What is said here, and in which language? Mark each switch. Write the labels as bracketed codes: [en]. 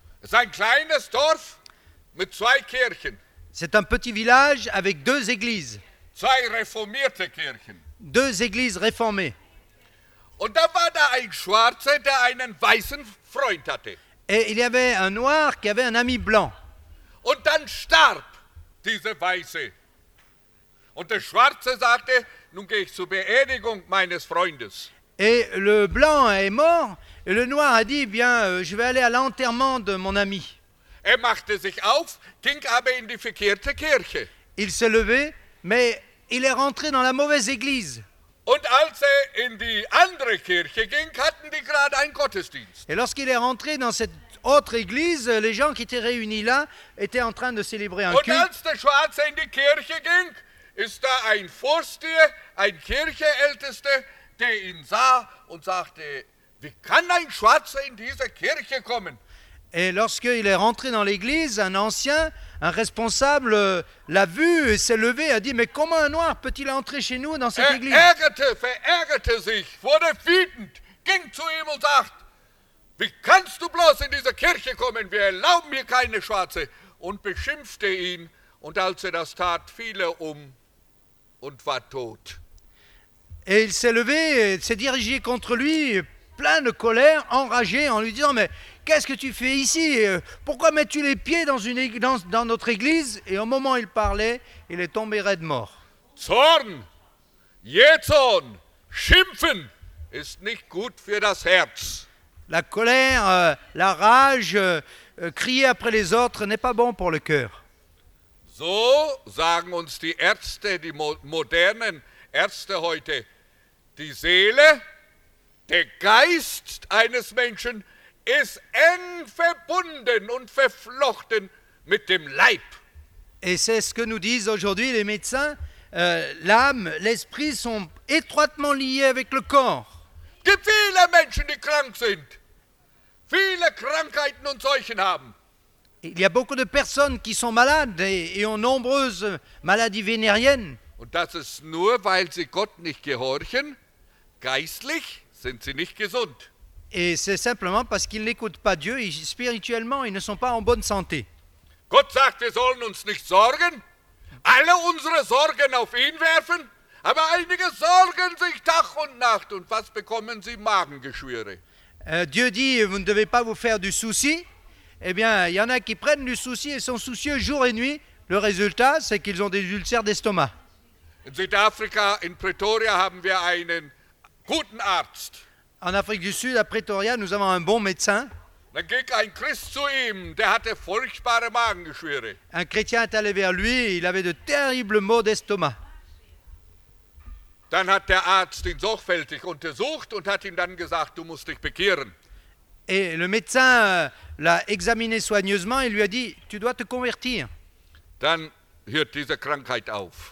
[fr] C'est un [de] kleines Dorf mit zwei Kirchen. [fr] C'est un petit village avec deux églises. [de] Zwei reformierte Kirchen. [fr] Deux églises réformées. [de] Und da war da ein Schwarzer, der einen weißen Freund hatte. [fr] Et il y avait un noir qui avait un ami blanc. [de] Und dann starb dieser Weiße. Und der Schwarze sagte, nun gehe ich zur Beerdigung meines Freundes. [fr] Et le blanc est mort, et le noir a dit, bien, je vais aller à l'enterrement de mon ami. [de] Er machte sich auf, ging aber in die verkehrte Kirche. [fr] Il s'est levé, mais il est rentré dans la mauvaise église. [de] Und als in die andere Kirche ging, hatten die gerade einen Gottesdienst. [fr] Et lorsqu'il est rentré dans cette autre église, les gens qui étaient réunis là étaient en train de célébrer un [de] Und [fr] culte. [de] Und als der Schwarze in die Kirche ging, ist da ein Vorsteher, ein Kircheältester, der ihn sah und sagte, wie kann ein Schwarzer in diese Kirche kommen? [fr] Et lorsqu'il est rentré dans l'église, un ancien, un responsable, l'a vu et s'est levé et a dit, mais comment un noir peut-il entrer chez nous dans cette église? [de] Verärgerte sich, wurde wütend, ging zu ihm und sagt, wie kannst du bloß in diese Kirche kommen, wir erlauben hier keine Schwarze, und beschimpfte ihn, und als das tat, fiel um und war tot. [fr] Et il s'est levé et s'est dirigé contre lui, plein de colère, enragé, en lui disant, mais qu'est-ce que tu fais ici? Pourquoi mets-tu les pieds dans notre église? Et au moment où il parlait, il est tombé raide mort. [de] Zorn, jezorn, schimpfen, ist nicht gut für das Herz. [fr] La colère, la rage, crier après les autres n'est pas bon pour le cœur. [de] So sagen uns die Ärzte, die modernen Ärzte heute, die Seele, der Geist eines Menschen ist eng verbunden und verflochten mit dem Leib. [fr] Et c'est ce que nous disent aujourd'hui les médecins. L'âme, l'esprit sont étroitement liés avec le corps. [de] Es gibt viele Menschen, die krank sind. Viele Krankheiten und Seuchen haben. [fr] Il y a beaucoup de personnes qui sont malades et ont nombreuses maladies vénériennes. [de] Und das ist nur, weil sie Gott nicht gehorchen. Geistlich sind sie nicht gesund. [fr] Et c'est simplement parce qu'ils n'écoutent pas Dieu, et spirituellement, ils ne sont pas en bonne santé. [de] Gott sagt, wir sollen uns nicht sorgen, alle unsere Sorgen auf ihn werfen, aber einige sorgen sich Tag und Nacht, und was bekommen sie? Magengeschwüre. [fr] Dieu dit, vous ne devez pas vous faire du souci. Eh bien, il y en a qui prennent du souci et sont soucieux jour et nuit. Le résultat, c'est qu'ils ont des ulcères d'estomac. [de] In Südafrika, in Pretoria, haben wir einen guten Arzt. [fr] En Afrique du Sud, à Pretoria, nous avons un bon médecin. [de] Da ging ein Christ zu ihm, der hatte furchtbare Magengeschwüre. [fr] Un chrétien est allé vers lui, il avait de terribles maux d'estomac. [de] Dann hat der Arzt ihn sorgfältig untersucht und hat ihm dann gesagt, du musst dich bekehren. [fr] Et le médecin l'a examiné soigneusement et lui a dit, tu dois te convertir. [de] Dann hört diese Krankheit auf.